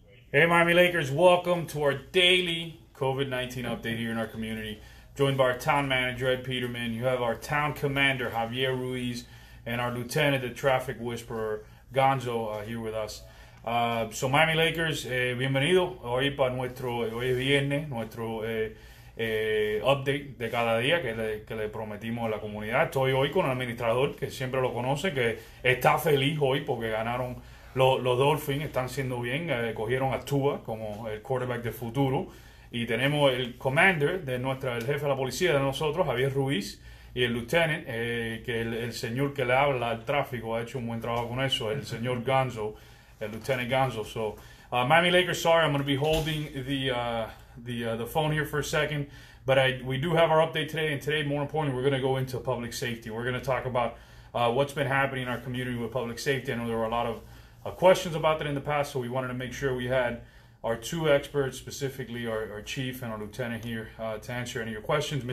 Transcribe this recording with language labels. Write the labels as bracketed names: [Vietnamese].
[English] Hey, Miami Lakers, welcome to our daily COVID-19 update here in our community. Joined by our town manager, Ed Pidermann. You have our town commander, Javier Ruiz, and our lieutenant, the traffic whisperer, Gonzo, here with us. [Spanish] So, Miami Lakers, bienvenido hoy para nuestro, hoy viernes, nuestro update de cada día que le prometimos a la comunidad. Estoy hoy con el administrador, que siempre lo conoce, que está feliz hoy porque ganaron los Dolphins, están siendo bien, cogieron a Tua como el quarterback del futuro. Y tenemos el commander de nuestra, el jefe de la policía de nosotros, Javier Ruiz, y el lieutenant, que el señor que le habla al tráfico ha hecho un buen trabajo con eso, el señor Gonzo, el lieutenant Gonzo. [English] So, Miami Lakers, sorry, I'm going to be holding the phone here for a second, but we do have our update today, and today, more importantly, we're going to go into public safety. We're going to talk about what's been happening in our community with public safety. I know there were a lot of questions about that in the past, so we wanted to make sure we had our two experts, specifically our chief and our lieutenant here, to answer any of your questions.